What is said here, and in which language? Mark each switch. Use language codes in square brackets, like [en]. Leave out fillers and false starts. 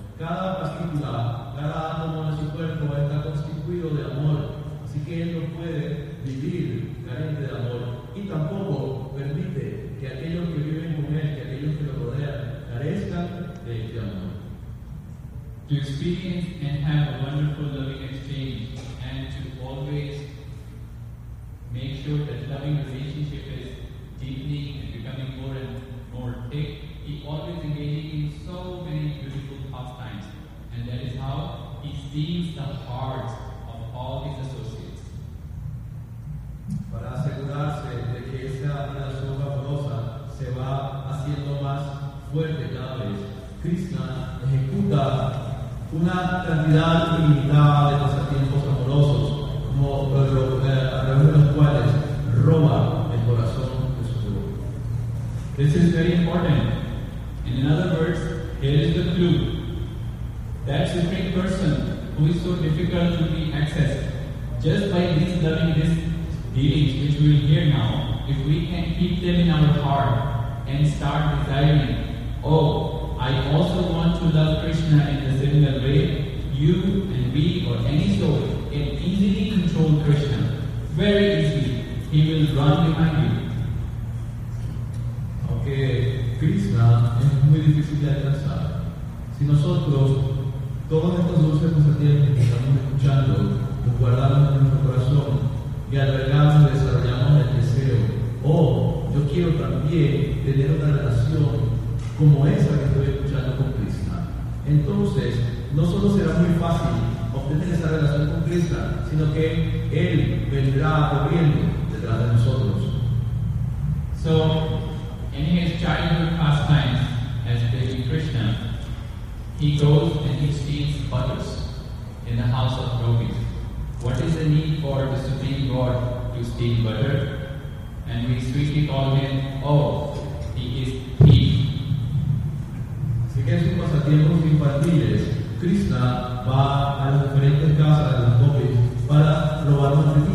[es] Cada partícula, cada átomo de su cuerpo está constituido de amor. Así que él no puede vivir carente de amor. Y tampoco permite que aquellos que viven con él, que aquellos que lo rodean, carezcan de este amor. [en] To experience and have a wonderful loving exchange and to always make sure that loving relationship is deepening and becoming more and more thick, he always engaging in so many beautiful pastimes. And that is how he steals the hearts of all his associates. [es] Para asegurarse de que esa relación amorosa se va haciendo más fuerte cada vez, Krishna ejecuta una cantidad ilimitada de pasatiempos amorosos, como a través de los cuales roba el corazón de su amor. [en] This is very important. In other words, here is the clue. That supreme person who is so difficult to be accessed, just by this loving, this dealings which we will hear now, if we can keep them in our heart and start desiring, I also want to love Krishna in a similar way, you and we or any soul can easily control Krishna. Very easily, he will run behind you. Okay. [es] Krishna es muy difícil de alcanzar. Si nosotros todos estos dulces pasatiempos que estamos escuchando los guardamos en nuestro corazón y albergamos y desarrollamos el deseo, yo quiero también tener una relación como esa que estoy escuchando con Krishna, entonces no solo será muy fácil obtener esa relación con Krishna, sino que él vendrá corriendo detrás de nosotros. [en] So in his childhood pastimes as baby Krishna, he goes and he steals butters in the house of gopis. What is the need for the Supreme God to steal butter? And we sweetly call him, he is thief. [es] Así que en sus pasatiempos infantiles, Krishna va a las diferentes casas de las gopis para robar una